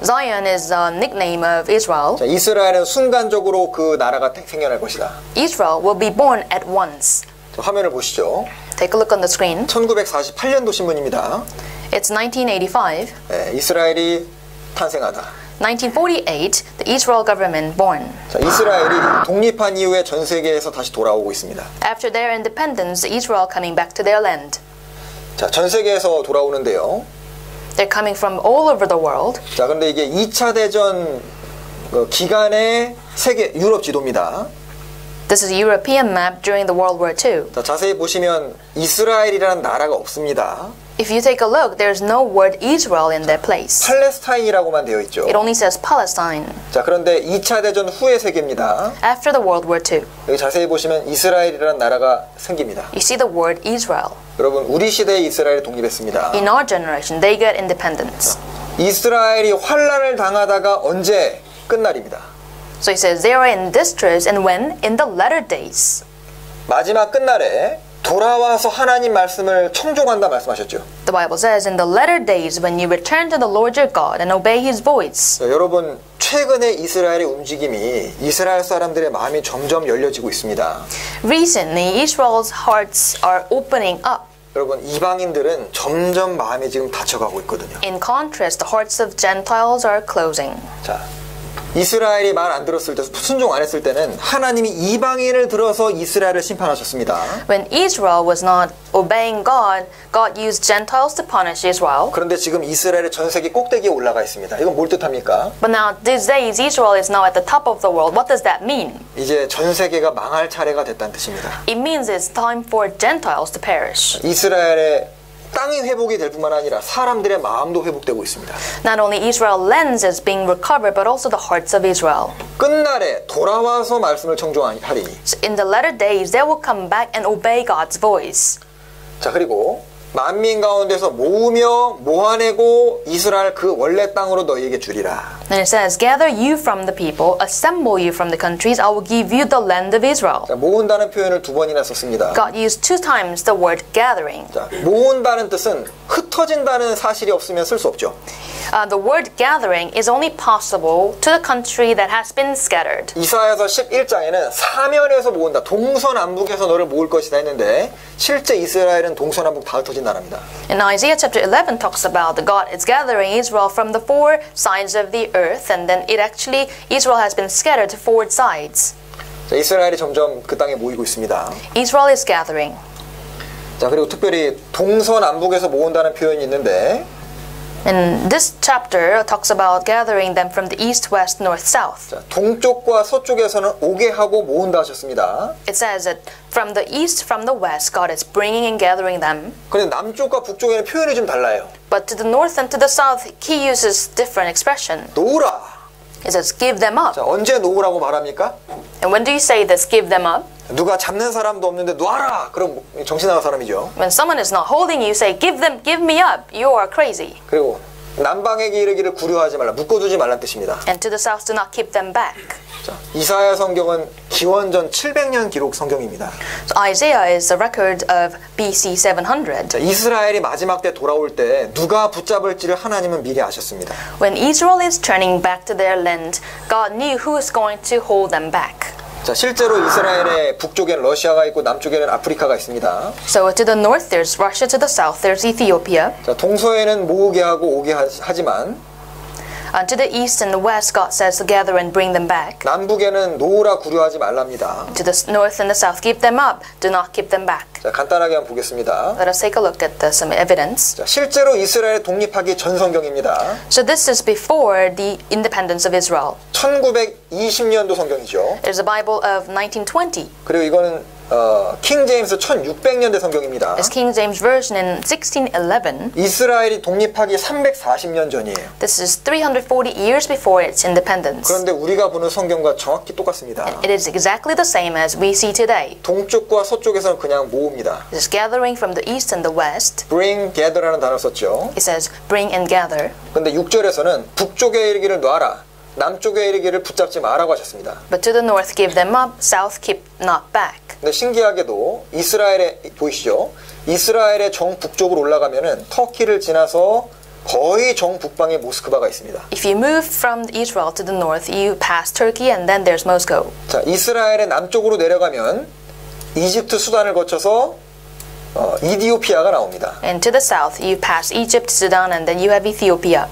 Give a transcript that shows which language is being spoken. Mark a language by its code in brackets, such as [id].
[en] Zion is the nickname of Israel. [ko] 자, 이스라엘은 순간적으로 그 나라가 생겨날 것이다. [en] Israel will be born at once. [ko] 자, 화면을 보시죠. [en] Take a look on the screen. [ko] 1948년도 신문입니다. [en] It's 1985. [ko] 네, 이스라엘이 탄생하다. [en] 1948, the Israel government born. [ko] 자, 이스라엘이 독립한 이후에 전 세계에서 다시 돌아오고 있습니다. [en] After their independence, Israel coming back to their land. [ko] 자, 전 세계에서 돌아오는데요. [en] They're coming from all over the world. [ko] 자, 근데 이게 2차 대전 기간의 세계 유럽 지도입니다. [en] This is a European map during the World War II. [ko] 자, 자세히 보시면 이스라엘이라는 나라가 없습니다. [en] If you take a look, there's no word Israel in that place. [ko] 팔레스타인이라고만 되어 있죠. [en] It only says Palestine. [ko] 자, 그런데 2차 대전 후의 세계입니다. [en] After the World War II. [ko] 여기 자세히 보시면 이스라엘이라는 나라가 생깁니다. [en] You see the word Israel. [ko] 여러분, 우리 시대에 이스라엘이 독립했습니다. [en] In our generation, they get independence. [ko] 이스라엘이 환난을 당하다가 언제 끝날입니다. [en] So he says they are in distress and when? In the latter days. [ko] 마지막 끝날에 돌아와서 하나님 말씀을 청종한다 말씀하셨죠. [en] The Bible says in the latter days when you return to the Lord your God and obey his voice. [ko] 자, 여러분, 최근에 이스라엘의 움직임이 이스라엘 사람들의 마음이 점점 열려지고 있습니다. [en] Recently Israel's hearts are opening up. [ko] 여러분, 이방인들은 점점 마음이 지금 닫혀가고 있거든요. [en] In contrast, the hearts of Gentiles are closing. [ko] 자, 이스라엘이 말 안 들었을 때, 순종 안 했을 때는 하나님이 이방인을 들어서 이스라엘을 심판하셨습니다. [en] When Israel was not obeying God, God used Gentiles to punish Israel. [ko] 그런데 지금 이스라엘의 전 세계 꼭대기에 올라가 있습니다. 이건 뭘 뜻합니까? [en] But now these days Israel is now at the top of the world. What does that mean? [ko] 이제 전 세계가 망할 차례가 됐다는 뜻입니다. [en] It means it's time for Gentiles to perish. [ko] 이스라엘의 땅이 회복이 될 뿐만 아니라 사람들의 마음도 회복되고 있습니다. [en] Not only Israel's lands is being recovered, but also the hearts of Israel. [ko] 끝날에 돌아와서 말씀을 청종하리. [en] So in the latter days, they will come back and obey God's voice. [ko] 자, 그리고 만민 가운데서 모으며 모아내고 이스라엘 그 원래 땅으로 너희에게 주리라. [en] Then it says, gather you from the people, assemble you from the countries, I will give you the land of Israel. [ko] 자, 모은다는 표현을 두 번이나 썼습니다. [en] God used two times the word gathering. [ko] 자, 모은다는 뜻은 흩어진다는 사실이 없으면 쓸 수 없죠. [en] The word gathering is only possible to the country that has been scattered. [ko] 이사야서 11장에는 사면에서 모은다, 동서남북에서 너를 모을 것이다 했는데 실제 이스라엘은 동서남북 다 흩어진 나라입니다. [en] And Isaiah chapter 11 talks about the God is gathering Israel from the four sides of the earth, and then it actually Israel has been scattered to four sides. [ko] 자, 이스라엘이 점점 그 땅에 모이고 있습니다. [en] Israel is gathering. [ko] 자, 그리고 특별히 동서남북에서 모은다는 표현이 있는데. [en] And this chapter talks about gathering them from the east, west, north, south. [ko] 자, 동쪽과 서쪽에서는 오게 하고 모은다 하셨습니다. [en] It says that from the east, from the west, God is bringing and gathering them. [ko] 그런데 남쪽과 북쪽에는 표현이 좀 달라요. [en] But to the north and to the south, he uses different expression. [ko] 놓으라. [en] It says, give them up. [ko] 자, 언제 놓으라고 말합니까? [en] And when do you say this, give them up? [ko] 누가 잡는 사람도 없는데 놔라. 그럼 정신나간 사람이죠. [en] When someone is not holding you, say, give them, give me up. You are crazy. [ko] 그리고 남방에게 이르기를 구려하지 말라, 묶어두지 말란 뜻입니다. [en] And to the south, do not keep them back. [ko] 자, 이사야 성경은 기원전 700년 기록 성경입니다. [en] So Isaiah is a record of BC 700. [ko] 자, 이스라엘이 마지막 때 돌아올 때 누가 붙잡을지를 하나님은 미리 아셨습니다. [en] When Israel is turning back to their land, God knew who is going to hold them back. [ko] 자, 실제로 이스라엘의 북쪽에는 러시아가 있고 남쪽에는 아프리카가 있습니다. [en] So to the north there's Russia, to the south there's Ethiopia. [ko] 자, 동서에는 모으게 하고 오게 하지만 [en] to the east and the west, God says, gather and bring them back. [ko] 남북에는 놓으라 구려하지 말랍니다. [en] To the north and the south, keep them up. Do not keep them back. [ko] 자, 간단하게 한번 보겠습니다. [en] Let us take a look at the, some evidence. [ko] 자, 실제로 이스라엘 독립하기 전 성경입니다. [en] So this is before the independence of Israel. [ko] 1920년도 성경이죠. [en] It is a Bible of 1920. [ko] 그리고 이거는 킹 제임스 1600년대 성경입니다. [en] It's King James version in 1611. [ko] 이스라엘이 독립하기 340년 전이에요. [en] This is 340 years before its independence. [ko] 그런데 우리가 보는 성경과 정확히 똑같습니다. [en] It is exactly the same as we see today. [ko] 동쪽과 서쪽에서는 그냥 모읍니다. [en] It is gathering from the east and the west. Bring, gather [ko] 라는 단어 썼죠. [en] It says bring and gather. [ko] 근데 6절에서는 북쪽에 이르기를 놔라. 남쪽에 이르기를 붙잡지 마라고 하셨습니다. [en] But to the north give them up, south keep not back. [ko] 근데 신기하게도 이스라엘에 보이시죠? 이스라엘의 정 북쪽으로 올라가면은 터키를 지나서 거의 정 북방에 모스크바가 있습니다. [en] If you move from Israel to the north, you pass Turkey and then there's Moscow. [ko] 자, 이스라엘의 남쪽으로 내려가면 이집트 수단을 거쳐서 이디오피아가 나옵니다. [en] And to the south, you pass Egypt, Sudan, and then you have Ethiopia.